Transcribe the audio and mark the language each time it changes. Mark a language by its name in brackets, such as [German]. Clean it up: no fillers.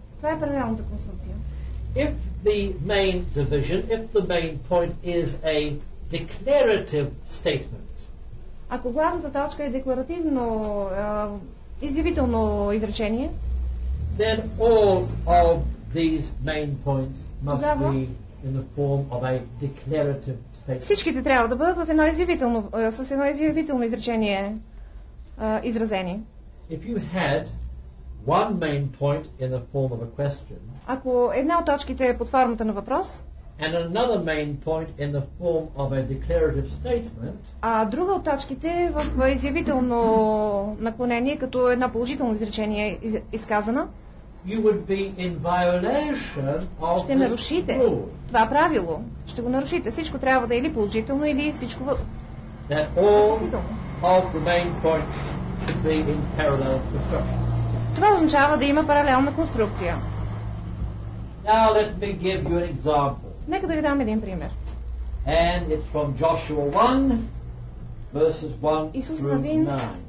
[Bulgarian] Това е паралелната конструкция. [English] If the main division, if the main point is a declarative statement. [Bulgarian] Ако главната точка е декларативно, изявително изречение, [English] then all of these main points must be in the form of a declarative statement. [Bulgarian] Всичките трябва да бъдат в едно изявително, с едно изявително изречение изразени. [English] If you had one main point in the form of a question. [Bulgarian] Ако една от точките е под формата на въпрос, [English] and another main point in the form of a declarative statement. [Bulgarian] А друга от точките е в изявително наклонение като едно положително изречение изказана. [English] You would be in violation of [Bulgarian] ще нарушите това правило. Ще го нарушите. Всичко трябва да е или положително, или всичко в [English] that all of the main points should be in parallel construction. [Bulgarian] Това означава да има паралелна конструкция. [English] Now let me give you an example. [Bulgarian] Нека да ви дам един пример. [English] And it's from Joshua 1, verses 1 Исус through 9.